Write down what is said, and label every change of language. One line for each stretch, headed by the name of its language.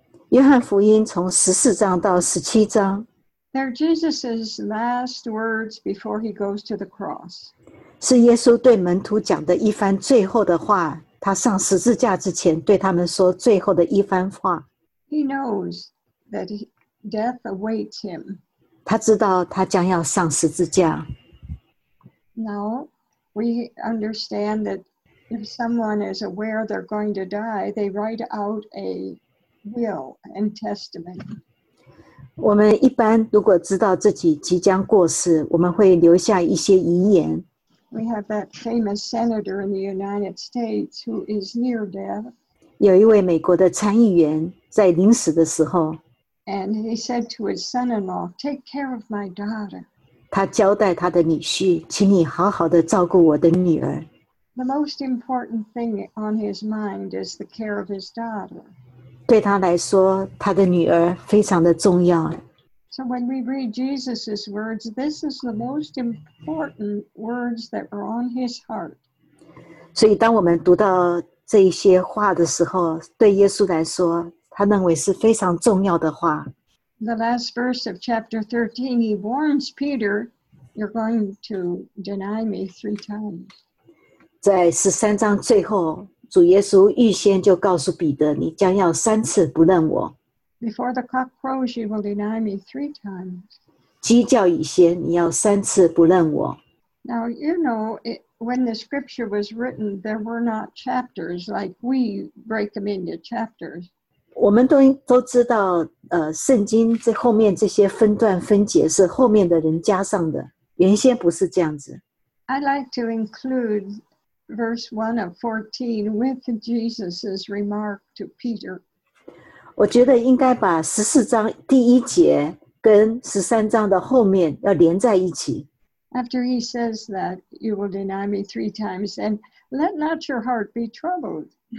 Chinese: 约翰福音从十四章到十七章。
English: They're Jesus' last words before he goes to the cross.
Chinese: 是耶稣对门徒讲的一番最后的话，他上十字架之前对他们说最后的一番话。
English: He knows that death awaits him.
Chinese: 他知道他将要上十字架。
English: Now, we understand that if someone is aware they're going to die, they write out a will and testament.
Chinese: 我们一般如果知道自己即将过世，我们会留下一些遗言。
English: We have that famous senator in the United States who is near death.
Chinese: 有一位美国的参议员在临死的时候。
English: And he said to his son-in-law, take care of my daughter.
Chinese: 他交代他的女婿，请你好好的照顾我的女儿。
English: The most important thing on his mind is the care of his daughter.
Chinese: 对他来说，他的女儿非常的重要。
English: So when we read Jesus' words, this is the most important words that were on his heart.
Chinese: 所以当我们读到这一些话的时候，对耶稣来说，他认为是非常重要的话。
English: The last verse of chapter 13, he warns Peter, you're going to deny me three times.
Chinese: 在十三章最后，主耶稣预先就告诉彼得，你将要三次不认我。
English: Before the cock crows, you will deny me three times.
Chinese: 鸡叫以先，你要三次不认我。
English: Now, you know, when the scripture was written, there were not chapters like we break them into chapters.
Chinese: 我们 都知道圣经这后面这些分段分节是后面的人加上的，原先不是这样子。
English: I'd like to include verse 1 of 14 with Jesus' remark to Peter.
Chinese: 我觉得应该把14章第一节跟13章的后面要连在一起。
English: After he says that, you will deny me three times, and let not your heart be troubled.